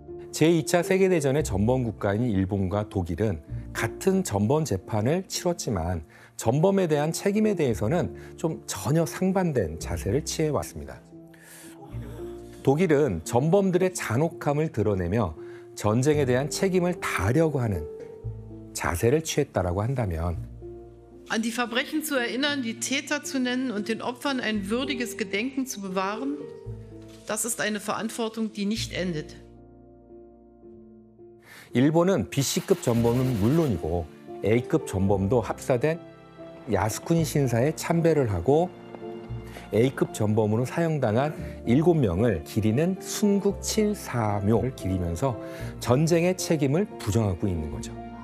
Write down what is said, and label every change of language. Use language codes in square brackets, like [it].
[ko] 제2차 세계대전의 전범 국가인 일본과 독일은 같은 전범 재판을 치렀지만 전범에 대한 책임에 대해서는 좀 전혀 상반된 자세를 취해왔습니다. 독일은 전범들의 잔혹함을 드러내며 전쟁에 대한 책임을 다하려고 하는 자세를 취했다라고 한다면 [de] An die Verbrechen zu erinnern, die Täter zu nennen und den Opfern ein würdiges Gedenken zu bewahren, das ist eine Verantwortung, die nicht endet. [ko] 일본은 BC급 전범은 물론이고 A급 전범도 합사된 야스쿠니 신사에 참배를 하고 A급 전범으로 사형당한 7명을 기리는 순국 칠사묘를 기리면서 전쟁의 책임을 부정하고 있는 거죠.